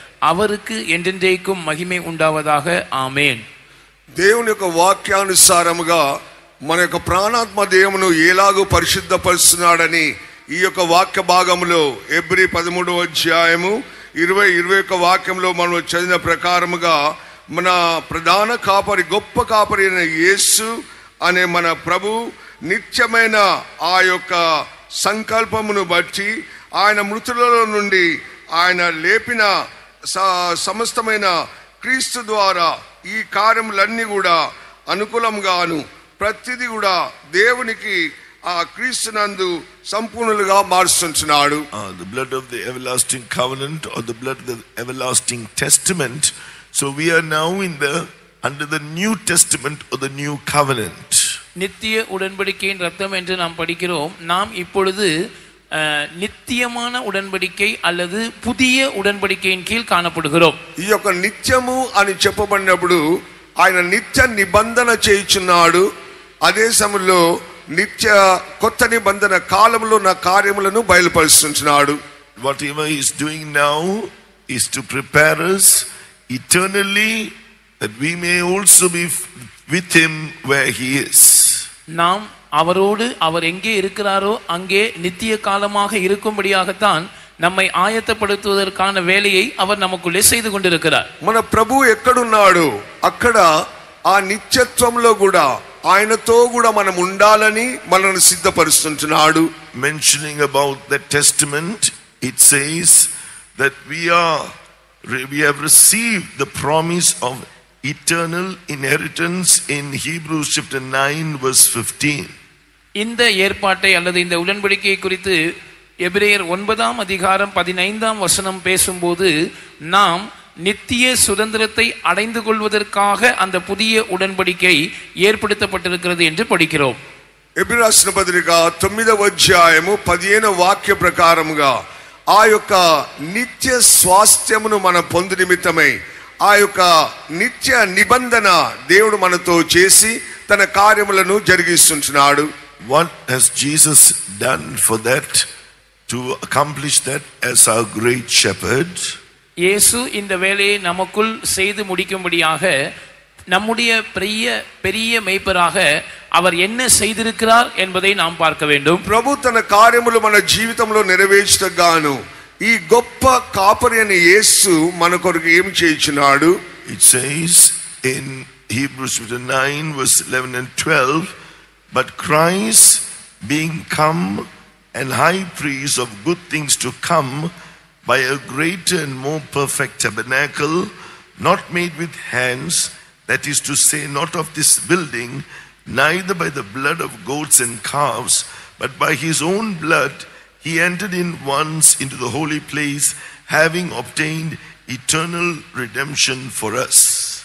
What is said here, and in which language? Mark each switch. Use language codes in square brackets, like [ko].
[ta] அவருக்கு என்றென்றைக்கும் மகிமை உண்டாவதாக. ஆமேன். [te] தேவன் யொக்க வாக்கியானுசாரமுகா மன யொக்க பிராணாத்ம தேவனு ஏலாகு பரிசுத்த பரிசுனாடனி ఈ యొక్క వాక్య భాగములో ఎబ్రీ 13వ అధ్యాయము 20-21వ వాక్యములో మనం చదివిన ప్రకారముగా మన ప్రధాన కాపరి గొప్ప కాపరి అయిన యేసు అనే మన ప్రభు నిత్యమైన ఆ యొక్క సంకల్పమును బట్టి ఆయన మృతులలో నుండి ఆయన లేపిన సమస్తమైన క్రీస్తు ద్వారా ఈ కార్యములన్నీ కూడా అనుకూలంగాను ప్రతిదీ కూడా దేవునికి ఆ క్రీస్తు నందు సంపూర్ణులుగా మారుస్తున్నాడు. [en] The blood of the everlasting covenant or the blood of the everlasting testament. So we are now in the under the New Testament or the New Covenant. [ta] நித்திய உடன்படிக்கையின் இரத்தம் என்று நாம் படிக்கிறோம். நாம் இப்பொழுது நித்தியமான உடன்படிக்கை அல்லது புதிய உடன்படிக்கையின் கீழ் காணப்படுகிறோம். [te] ఈ యొక్క నిత్యము అని చెప్పబడినప్పుడు ఆయన నిత్య నిబంధన చేయుచున్నాడు. అదే సమయంలో నిత్య కొత్త నిబంధన కాలములో నా కార్యములను బయలుపరుస్తున్నాడు. [en] Whatever he is doing now is to prepare us eternally that we may also be with him where he is. [ta] நாம் அவரோடு அவர் எங்கே இருக்கிறாரோ அங்கே நித்திய காலமாக இருக்கும்படியாகத்தான் நம்மை ஆயத்தப்படுத்துவதற்கான வேலையை அவர் நமக்குள்ளே செய்து கொண்டிருக்கிறார். [te] మన ప్రభు ఎక్కడున్నాడు అక్కడ ఆ నిత్యత్వంలో కూడా ఆయనతో కూడా మనం ఉండాలని మనల్ని సిద్ధపరుస్తున్నాడు. [en] Mentioning about the testament, it says that we have received the promise of eternal inheritance in Hebrews chapter 9 verse 15. [ta] இந்த ஏற்பாட்டை அல்லது இந்த உடன்படிக்கையை குறித்து எபிரேயர் 9 அதிகாரம் 15 வசனம் பேசும்போது நாம் நித்திய சுதந்திரத்தை அடைந்து கொள்வதற்காக அந்த புதிய உடன்படிக்கை ஏற்படுத்தப்பட்டிருக்கிறது என்று படிக்கிறோம். [te] எபிரேயர் பத்திரிக 9 அத்தியாயமும் 15 வாக்கிய பிரகாரமுகா ఆ యొక్క నిత్య స్వాస్థ్యమును మనం పొంది నిమిత్తమై ఆ యొక్క నిత్య నిబంధన దేవుడు మనతో చేసి తన కార్యములను జరిగిస్తున్నాడు. [en] What has Jesus done for that, to accomplish that as our great shepherd? [ta] యేసు இந்த வேளையை நமக்குள் செய்து முடிக்கும்படியாக நம்முடைய பெரிய பெரிய மேய்ப்பராக அவர் என்ன செய்திருக்கிறார் என்பதை நாம் பார்க்க வேண்டும். [te] பிரபு தன் காரியములు మన జీవితంలో నిర్వేచటగాను ఈ గొప్ప కాపరియని యేసు మన కొరకు ఏం చేయించాడు. [en] It says in Hebrews 9 verse 11 and 12, but Christ being come an high priest of good things to come by a greater and more perfect tabernacle not made with hands, that is to say not of this building, neither by the blood of goats and calves, but by his own blood he entered in once into the holy place, having obtained eternal redemption for us.